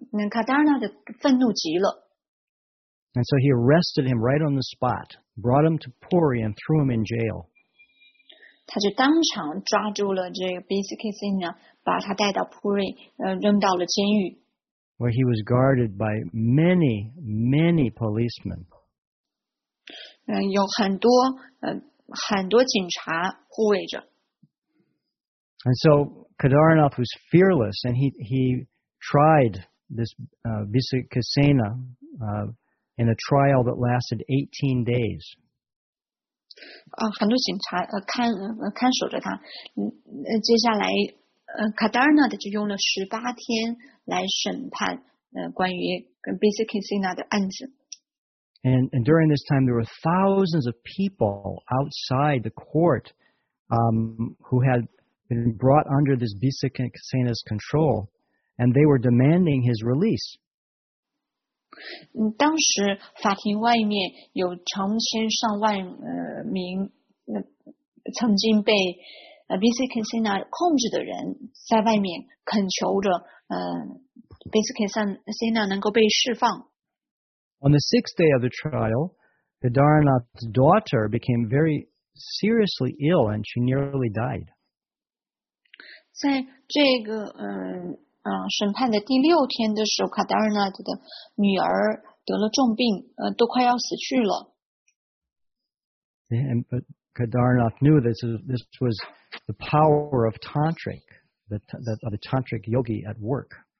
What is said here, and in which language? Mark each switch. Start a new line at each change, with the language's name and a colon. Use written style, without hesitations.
Chinese: Kedarnath 愤怒极了。
English: And so he arrested him right on the spot, brought him to Puri and threw him in jail.
Chinese: 他就当场抓住了这个 Bisik Kisena， 把他带到 Puri， 扔到了监狱。
English: Where he was guarded by many, many policemen.
Chinese: 有很多很多警察护卫着。
English: And so Kedarnath was fearless, and he tried this Bisik Kisena in a trial that lasted 18 days.
Chinese: 很多警察看守着他，接下来Kedarnath 就用了十八天来审判关于 Bisik Kisena 的案子。
English: And during this time, there were thousands of people outside the court who had been brought under this Bisik Kisena's control, and they were demanding his release.
Chinese: 当时法庭外面有成千上万名曾经被 Bisik Kisena 控制的人在外面恳求着Bisik Kisena 能够被释放。
English: On the sixth day of the trial, Kedarnath's daughter became very seriously ill and she nearly died.
Chinese: 在这个审判的第六天的时候 ，Kedarnath 的女儿得了重病，都快要死去了。
English: And, but Kedarnath knew this was the power of tantric, the tantric yogi at work.